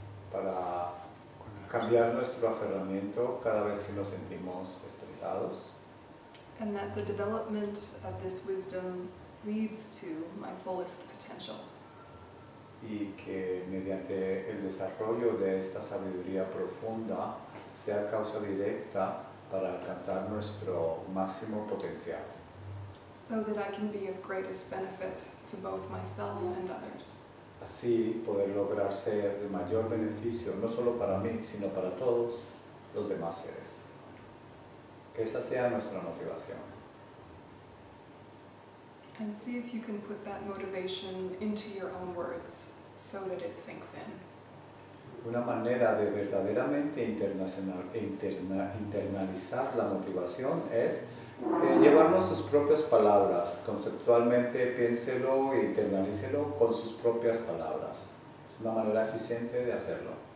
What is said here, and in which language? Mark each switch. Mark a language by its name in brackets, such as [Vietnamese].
[Spanish] Para cambiar nuestro aferramiento cada vez que nos sentimos estresados. [English] And that the development of this wisdom leads to my fullest potential. [Spanish] Y que mediante el desarrollo de esta sabiduría profunda sea causa directa para alcanzar nuestro máximo potencial. [English] So that I can be of greatest benefit to both myself and others. [Spanish] Así poder lograr ser de mayor beneficio no solo para mí, sino para todos los demás seres. Que esa sea nuestra motivación. [English] And see if you can put that motivation into your own words so that it sinks in. [Spanish] una manera de verdaderamente internalizar la motivación es llevarnos sus propias palabras. Conceptualmente piénselo e internalícelo con sus propias palabras. Es una manera eficiente de hacerlo.